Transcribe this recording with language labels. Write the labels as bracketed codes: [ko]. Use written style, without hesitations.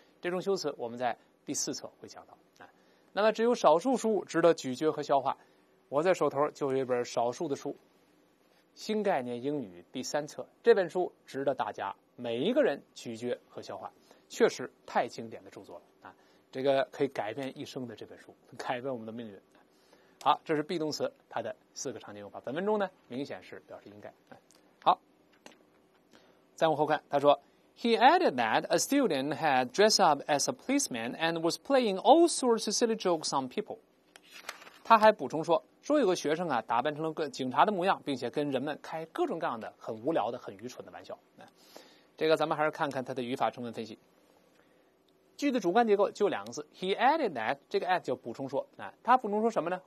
[zh] 这种修辞我们在第四册会讲到。那么只有少数书值得咀嚼和消化，我在手头就有一本少数的书，新概念英语第三册，这本书值得大家每一个人咀嚼和消化，确实太经典的著作了啊！这个可以改变一生的这本书，改变我们的命运。好，这是 be 动词它的四个常见用法，本文中呢明显是表示应该。好，再往后看，他说 [en] He added that a student had dressed up as a policeman and was playing all sorts of silly jokes on people. [zh] 他还补充说有个学生啊打扮成了警察的模样，并且跟人们开各种各样的很无聊的很愚蠢的玩笑。这个咱们还是看看他的语法成分分析。句子主观结构就两个字， [en] He added that, [zh] 这个 add 叫补充说，他补充说什么呢？